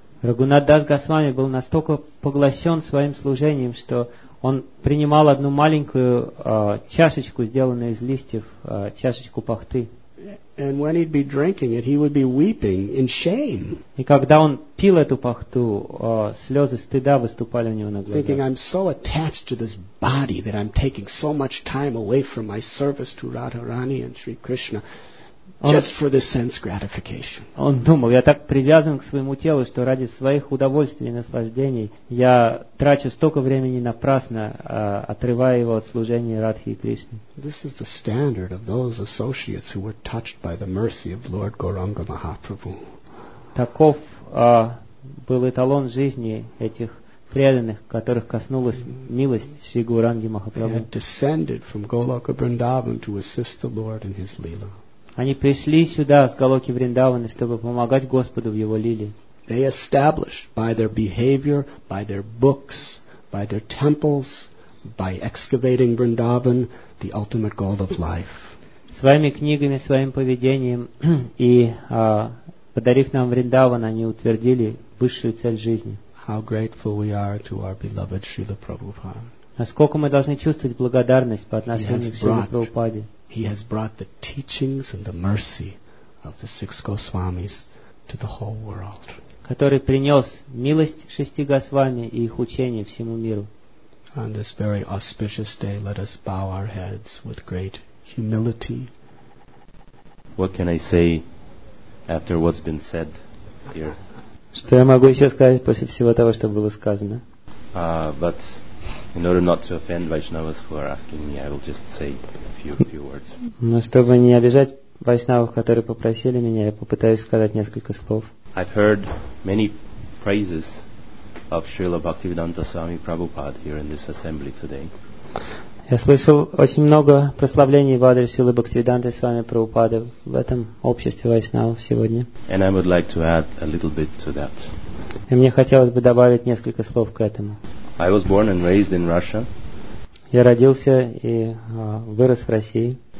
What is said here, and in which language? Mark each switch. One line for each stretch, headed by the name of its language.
Russian: Raghunath Das Goswami был настолько поглощен своим служением, что он принимал одну маленькую чашечку, сделанную из листьев, чашечку пахты.
English: And when he'd be drinking it, he would be weeping in shame.
Russian: И когда он пил эту пахту, слезы стыда выступали у него на глазах.
English: Thinking, I'm so attached to this body that I'm taking so much time away from my service to Radharani and Sri Krishna. Just for the sense gratification.
Russian: Он думал, я так привязан к своему телу, что ради своих удовольствий и наслаждений я трачу столько времени напрасно, отрывая его от служения Радхи и Кришне.
English: This is the standard of those associates who were touched by the mercy of Lord Gauranga Mahaprabhu.
Russian: Таков был эталон жизни этих преданных, которых коснулась милость Шри Гауранги Махапрабху.
English: They had descended from Goloka Vrindavan to assist the Lord in His Leela.
Russian: Они пришли сюда, с Голоки Вриндаваны, чтобы помогать Господу в его лиле.
English: They established by their behavior, by their books, by their temples, by excavating Vrindavan, the ultimate goal of life.
Russian: Своими книгами, своим поведением и подарив нам Вриндаван, они утвердили высшую цель жизни.
English: How grateful we are to our beloved Srila Prabhupada.
Russian: Насколько мы должны чувствовать благодарность по отношению к Шриле Прабхупаде.
English: He has brought the teachings and the mercy of the six Goswamis to the whole world.
Russian: Который принес милость шести Госвами и их учение всему миру.
English: On this very auspicious day, let us bow our heads with great humility. What can I say after what's been said here?
Russian: Что я могу еще сказать после всего того, что было сказано?
English: But in order not to offend Vaishnavas who are asking me, I will just say few words.
Russian: Но чтобы не обижать вайшнавов, которые попросили меня, я попытаюсь сказать несколько слов.
English: I've heard many praises of Srila Bhaktivedanta Swami Prabhupada here in this assembly today.
Russian: Я слышал очень много прославлений в адрес Шрилы Бхактивиданты Свами Прабхупады в этом обществе вайшнавов сегодня.
English: And I would like to add a little bit to that.
Russian: И мне хотелось бы добавить несколько слов к этому.
English: I was born and raised in Russia.
Russian: Я родился и вырос в России.